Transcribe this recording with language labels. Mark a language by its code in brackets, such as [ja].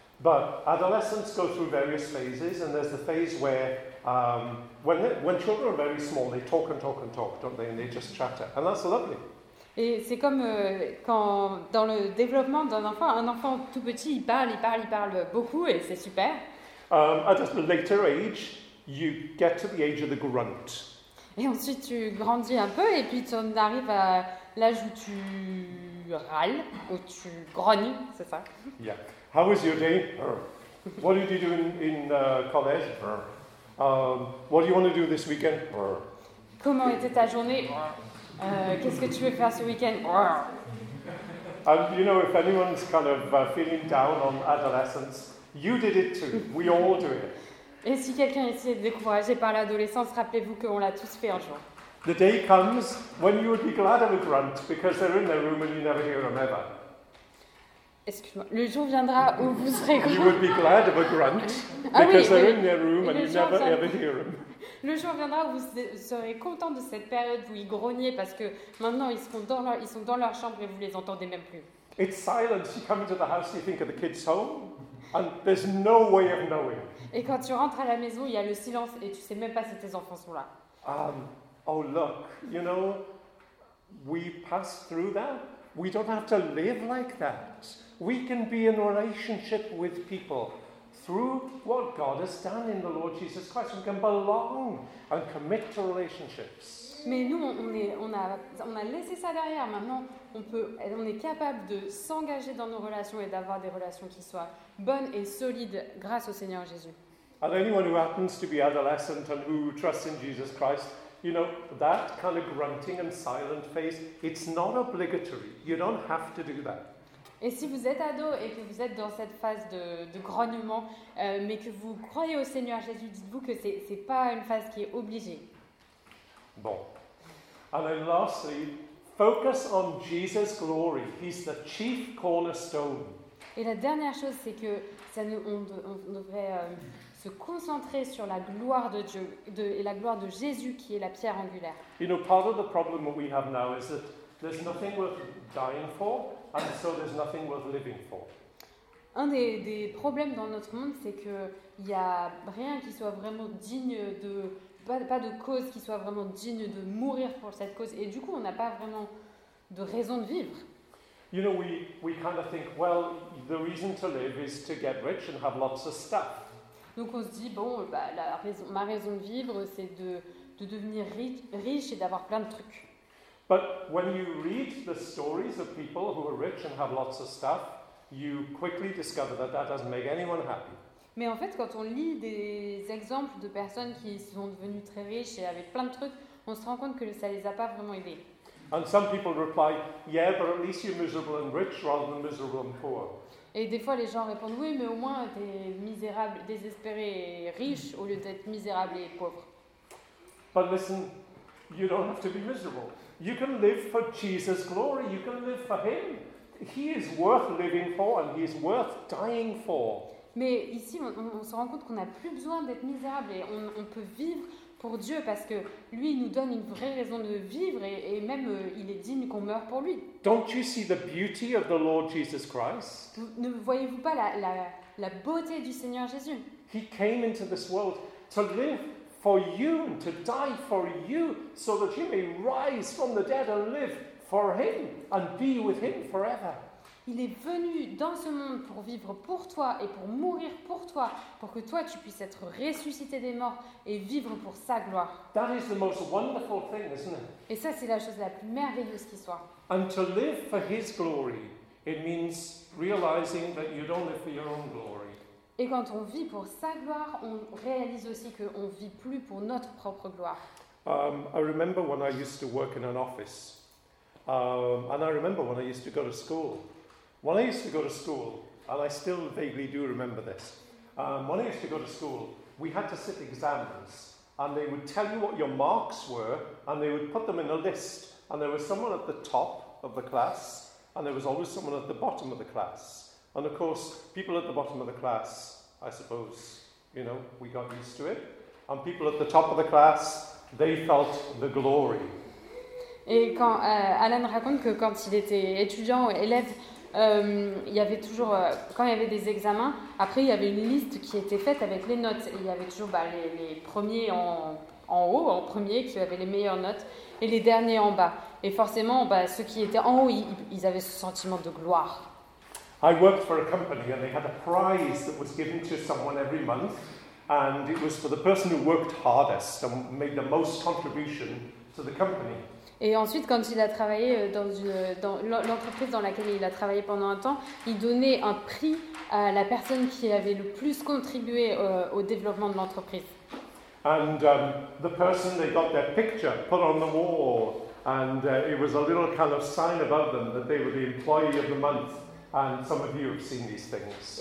[en] But adolescents go through various phases, and there's the phase where when children are very small, they talk and talk and talk, don't they? And they just chatter, and that's lovely. [fr] Et c'est comme quand dans le développement d'un enfant, un enfant tout petit, il parle beaucoup et c'est super. [en] At a later age, you get to the age of the grunt. [fr] Et ensuite tu grandis un peu et puis tu en arrives à l'âge où tu râles ou tu grognes, c'est ça? [en] Yeah. How was your day? What did you do in college? What do you want to do this weekend? [fr] Comment était ta journée? Qu'est-ce que tu veux faire ce week-end? [en] And you know, if anyone's kind of feeling down on adolescence, you did it too. We all do it. [fr] Et si quelqu'un ici est découragé par l'adolescence, rappelez-vous qu'on l'a tous fait un jour. [en] The day comes when you would be glad of a grunt because they're in their room and you never hear them ever. [fr] Excuse-moi. Le jour viendra où vous serez. [en] You would be glad of a grunt because they're in their room and you never ever hear them. [fr] Le jour viendra où vous serez content de cette période où ils grognaient parce que maintenant ils sont dans leur chambre et vous les entendez même plus. [en] It's silence. You come into the house, you think of the kids home. And there's no way of knowing. [fr] Et quand tu rentres à la maison, il y a le silence et tu sais même pas si tes enfants sont là. [en] Oh look, you know, we pass through that. We don't have to live like that. We can be in relationship with people through what God has done in the Lord Jesus Christ. We can belong and commit to relationships. [fr] Mais nous, on a laissé ça derrière. Maintenant, on est capable de s'engager dans nos relations et d'avoir des relations qui soient bonnes et solides grâce au Seigneur Jésus. [en] And anyone who happens to be adolescent and who trusts in Jesus Christ, you know, that kind of grunting and silent phase, it's not obligatory. You don't have to do that. [fr] Et si vous êtes ado et que vous êtes dans cette phase de grognement, mais que vous croyez au Seigneur Jésus, dites-vous que c'est pas une phase qui est obligée. Bon. [en] And then lastly, focus on Jesus' glory. He's the chief cornerstone. [fr] Et la dernière chose, c'est que on devrait se concentrer sur la gloire de Dieu et la gloire de Jésus qui est la pierre angulaire. [en] You know, part of the problem that we have now is that there's nothing worth dying for, and so there's nothing worth living for. [fr] Un des problèmes dans notre monde, c'est que il y a rien qui soit vraiment digne de pas de cause qui soit vraiment digne de mourir pour cette cause, et du coup on n'a pas vraiment de raison de vivre. [en] You know, we kind of think, well, the reason to live is to get rich and have lots of stuff. [fr] Donc on se dit, bon, bah, ma raison de vivre, c'est de devenir riche et d'avoir plein de trucs. [en] But when you read the stories of people who are rich and have lots of stuff, you quickly discover that that doesn't make anyone happy. [fr] Mais en fait, quand on lit des exemples de personnes qui sont devenues très riches et avec plein de trucs, on se rend compte que ça ne les a pas vraiment aidés. [en] And some people reply, yeah, but at least you're miserable and rich rather than miserable and poor. [fr] Et des fois, les gens répondent, oui, mais au moins, t'es misérable, désespéré et riche au lieu d'être misérable et pauvre. [en] But listen, you don't have to be miserable. You can live for Jesus' glory. You can live for him. He is worth living for and he is worth dying for. [fr] Mais ici, on se rend compte qu'on n'a plus besoin d'être misérable et on peut vivre pour Dieu parce que lui, il nous donne une vraie raison de vivre et même il est digne qu'on meure pour lui. [en] Don't you see the beauty of the Lord Jesus Christ? [fr] Ne voyez-vous pas la beauté du Seigneur Jésus? [en] He came into this world to live for you and to die for you so that you may rise from the dead and live for him and be with him forever. [fr] Il est venu dans ce monde pour vivre pour toi et pour mourir pour toi, pour que toi tu puisses être ressuscité des morts et vivre pour sa gloire. [en] That is the most wonderful thing, isn't it? [fr] Et ça, c'est la chose la plus merveilleuse qui soit. [en] And to live for his glory, it means realizing that you don't live for your own glory. [fr] Et quand on vit pour sa gloire, on réalise aussi que on vit plus pour notre propre gloire. [en] I remember when I used to work in an office. And I remember when I used to go to school. When I used to go to school, and I still vaguely do remember this, when I used to go to school, we had to sit exams, and they would tell you what your marks were, and they would put them in a list, and there was someone at the top of the class, and there was always someone at the bottom of the class. And of course, people at the bottom of the class, I suppose, you know, we got used to it, and people at the top of the class, they felt the glory. [fr] Et quand Alan raconte que quand il était étudiant ou élève, il y avait toujours, quand il y avait des examens, après il y avait une liste qui était faite avec les notes. Et il y avait toujours les premiers en haut, en premier, qui avaient les meilleures notes, et les derniers en bas. Et forcément, ceux qui étaient en haut, ils avaient ce sentiment de gloire. [en] I worked for a company and they had a prize that was given to someone every month. And it was for the person who worked hardest and made the most contribution to the company. [fr] Et ensuite, quand il a travaillé dans l'entreprise dans laquelle il a travaillé pendant un temps, il donnait un prix à la personne qui avait le plus contribué au développement de l'entreprise. [en] And the person, they got their picture put on the wall, and it was a little kind of sign above them that they were the employee of the month. And some of you have seen these things.